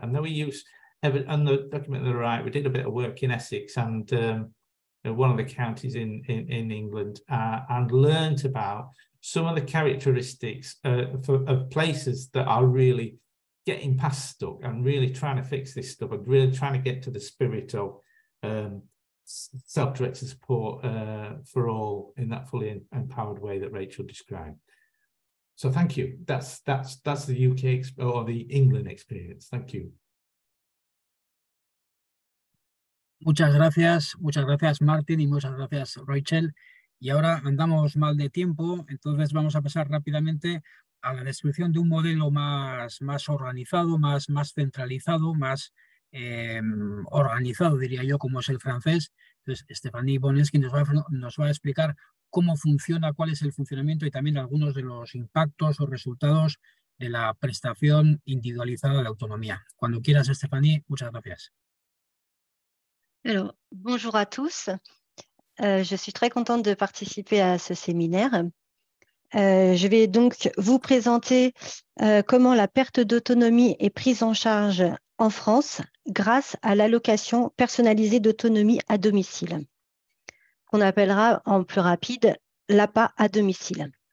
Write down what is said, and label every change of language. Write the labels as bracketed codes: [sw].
[en] And then we use, on the document on the right, we did a bit of work in Essex and one of the counties in England, and learnt about some of the characteristics of places that are really getting past stuck and really trying to fix this stuff and really trying to get to the spirit of self-directed support for all in that fully empowered way that Rachel described. So thank you. That's the UK or the England experience. Thank you. [es] Muchas gracias Martin y muchas gracias Rachel. Y ahora andamos mal de tiempo, entonces vamos a pasar rápidamente a la descripción de un modelo más organizado, más centralizado, más organizado, diría yo, como es el francés. Entonces Stéphanie Bonensky nos va a explicar cómo funciona, cuál es el funcionamiento y también algunos de los impactos o resultados de la prestación individualizada de autonomía. Cuando quieras, Stéphanie, muchas gracias. [fr] Alors, bonjour à tous. Je suis très contente de participer à ce séminaire. Je vais donc vous présenter comment la perte d'autonomie est prise en charge en France grâce à l'allocation personnalisée d'autonomie à domicile, qu'on appellera en plus rapide l'APA à domicile.